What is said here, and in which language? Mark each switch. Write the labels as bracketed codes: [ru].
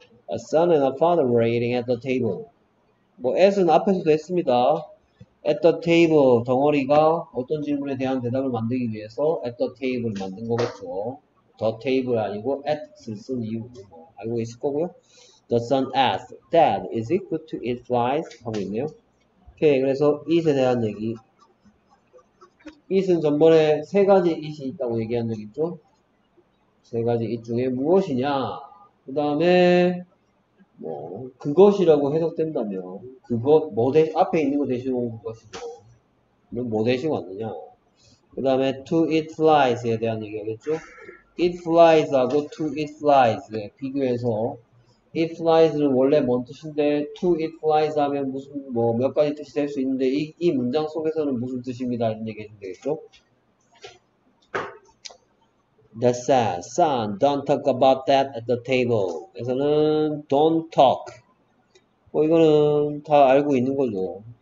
[en] A son and a father were eating at the table. [ko] 뭐, at은 앞에서도 했습니다. At the table, 덩어리가 어떤 질문에 대한 대답을 만들기 위해서 at the table 만든 거겠죠. The table 아니고 at을 쓴 이유 알고 있을 거고요. [en] The son asked, Dad, is it good to eat flies? [ko] 하고 있네요. 오케이, 그래서 it에 대한 얘기. It은 전번에 세 가지 it이 있다고 얘기한 적 있죠? 세 가지 it 중에 무엇이냐? 그 다음에 뭐 그것이라고 해석된다면 그것 뭐 대신 앞에 있는 거 대신 온 것이고 뭐 대신 왔느냐? 그 다음에 to eat flies에 대한 얘기하겠죠? It flies 하고 to eat flies 에 비교해서 it flies는 원래 뭔 뜻인데 to eat flies 하면 무슨 뭐몇 가지 뜻이 될수 있는데 이 문장 속에서는 무슨 뜻입니다 이런 얘기 해주면 되겠죠? [en] That said, son, don't talk about that at the table. [ko] 에서는 don't talk. 뭐 이거는 다 알고 있는 거죠.